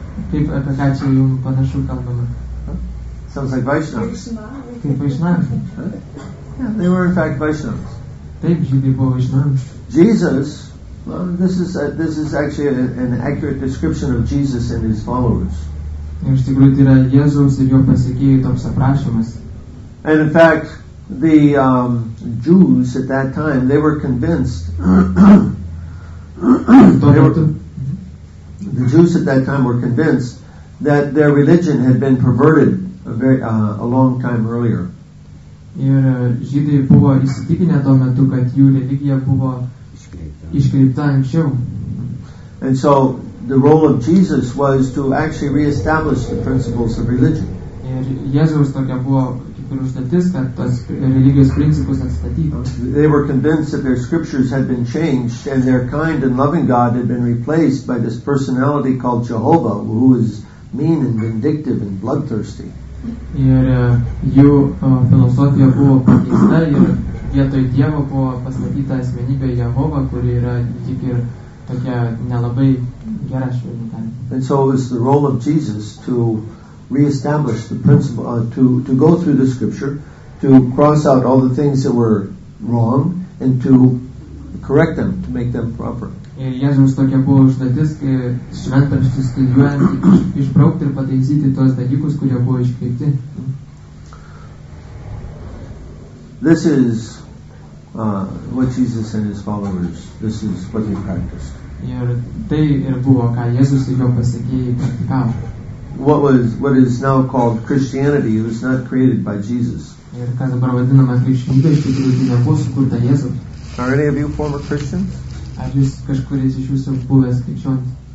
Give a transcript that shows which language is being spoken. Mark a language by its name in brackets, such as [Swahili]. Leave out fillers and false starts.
[Lithuanian] Kaip apie ką čia jum panašu kalbama? [English] Sounds like Vaishnavas. [Lithuanian] Kaip Vaishnavas. [English] Yeah, they were in fact Vaishnavas. [Lithuanian] Taip, žydai buvo Vaishnavas. [English] Jesus, this is actually an accurate description of Jesus and his followers. [Lithuanian] Iš tikrųjų, tai yra Jėzaus ir jo pasiekėjų toks aprašymas. [English] And in fact, the Jews at that time, they were convinced the Jews at that time were convinced that their religion had been perverted a long time earlier. [Lithuanian] Ir žydai buvo įsitikinę tuo metu, kad jų religija buvo iškreipta anksčiau. [English] And so the role of Jesus was to actually reestablish the principles of religion. [Lithuanian] Ir Jėzaus tokia buvo kaip ir užduotis, kad tos religijos principus atstatytų. [English] They were convinced that their scriptures had been changed and their kind and loving God had been replaced by this personality called Jehovah, who is mean and vindictive and bloodthirsty. [Lithuanian] Ir jų filosofija buvo pakeista ir vietoj Dievo buvo pastatyta asmenybė Jehova, kuri yra tik ir tokia nelabai gera šventė. [English] And so it was the role of Jesus to reestablish the principle, to go through the scripture, to cross out all the things that were wrong and to correct them, to make them proper. [Lithuanian] Ir Jėzus tokia buvo užduotis, kai šventraštį studijuojant, išbraukti ir pataisyti tos dalykus, kurie buvo iškreipti. [English] This is what Jesus and his followers, this is what they practiced. [Lithuanian] Ir tai ir buvo, ką Jėzus ir jo pasekėjai praktikavo. [English] What is now called Christianity was not created by Jesus. [Lithuanian] Ir kas dabar vadinama krikščionybė, iš tikrųjų tai nebuvo sukurta Jėzus. [English] Are any of you former Christians? [Lithuanian] Ar jūs kažkuris iš jūsų buvęs krikščionis?